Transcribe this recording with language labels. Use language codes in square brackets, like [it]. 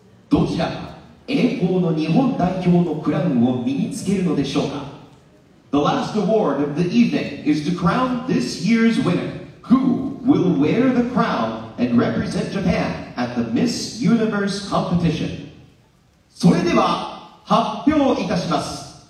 [ja] どちらが栄光の日本代表のクラウンを身につけるのでしょうか。 [en] The last award of the evening is to crown this year's winner, who will wear the crown and represent Japan at the Miss Universe competition. [ja] それでは発表いたします。